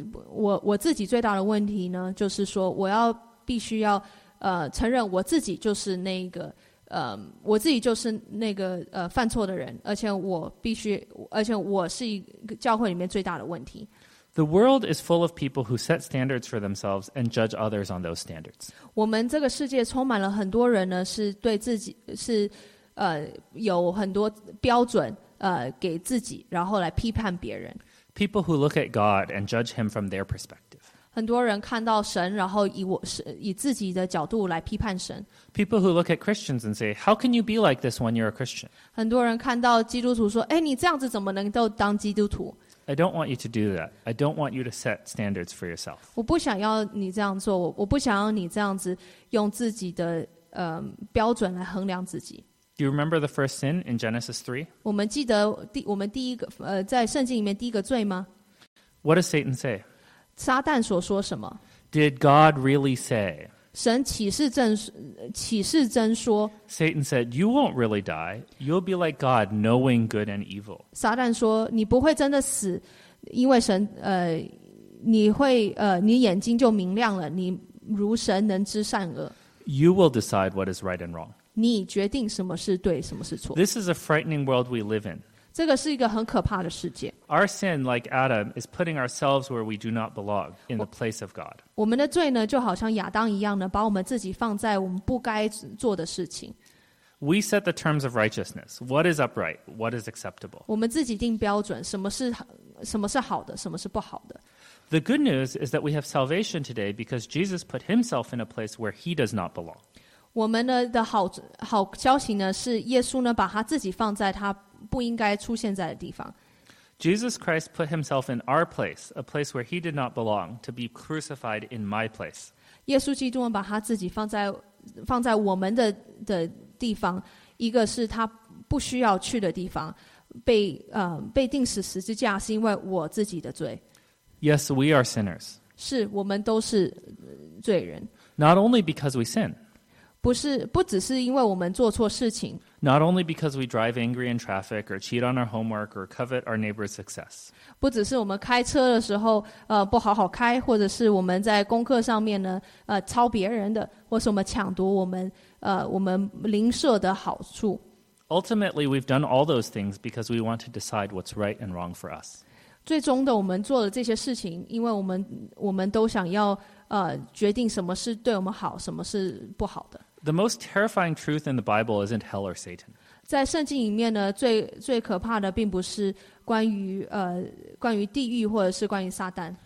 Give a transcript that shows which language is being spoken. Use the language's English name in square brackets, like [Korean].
[Chinese] 我自己最大的问题呢，就是说我要必须要承认我自己就是那个我自己就是那个犯错的人，而且我是一个教会里面最大的问题。 [English] The world is full of people who set standards for themselves and judge others on those standards. [Chinese] 我们这个世界充满了很多人呢，是对自己是有很多标准给自己，然后来批判别人。 [English] People who look at God and judge him from their perspective. [Chinese] 很多人看到神，然后以自己的角度来批判神。 [English] People who look at Christians and say, "How can you be like this when you're a Christian?" [Chinese] 很多人看到基督徒说，哎，你这样子怎么能够当基督徒？ [English] I don't want you to do that. I don't want you to set standards for yourself. [Chinese] 我不想要你这样做，我不想要你这样子用自己的标准来衡量自己。 [English] Do you remember the first sin in Genesis 3? [Chinese] 我们记得我们第一个在圣经里面第一个罪吗？ [English] What does Satan say? [Chinese] 撒旦所说什么？ [English] Did God really say? [Chinese] 神启示真说？ [English] Satan said, you won't really die. You'll be like God, knowing good and evil. [Chinese] 撒旦说，你不会真的死，因为神你眼睛就明亮了，你如神能知善恶。 [English] You will decide what is right and wrong. [Chinese] 你决定什么是对，什么是错。 [English] This is a frightening world we live in. [Chinese] 这个是一个很可怕的世界。 [English] Our sin, like Adam, is putting ourselves where we do not belong, in the place of God. [Chinese] 我们的罪呢，就好像亚当一样呢，把我们自己放在我们不该做的事情。 [English] We set the terms of righteousness. What is upright? What is acceptable? [Chinese] 我们自己定标准，什么是好的，什么是不好的。 [English] The good news is that we have salvation today because Jesus put himself in a place where he does not belong. [Chinese] 我们的 好消息呢，是耶稣呢，把他自己放在他不应该出现在的地方。 [English] Jesus Christ put himself in our place, a place where he did not belong, to be crucified in my place. [Chinese] 耶稣基督把他自己放在我们 的地方，一个是他不需要去的地方，被钉死十字架，是因为我自己的罪。 [English] Yes, we are sinners. [Chinese] 是，我们都是罪人。 [English] Not only because we sin. [Chinese] 不只是因为我们做错事情。 [English] Not only because we drive angry in traffic or cheat on our homework or covet our neighbor's success. [Chinese] 不只是我们开车的时候不好好开，或者是我们在功课上面呢抄别人的，或是我们抢夺我们邻舍的好处。 [English] Ultimately, we've done all those things because we want to decide what's right and wrong for us. [Chinese] 最终的，我们做了这些事情，因为我们都想要决定什么是对我们好，什么是不好的。 [English] The most terrifying truth in the Bible isn't hell or Satan. [Chinese] 在圣经里面呢，最可怕的并不是关于地狱或者是关于撒旦。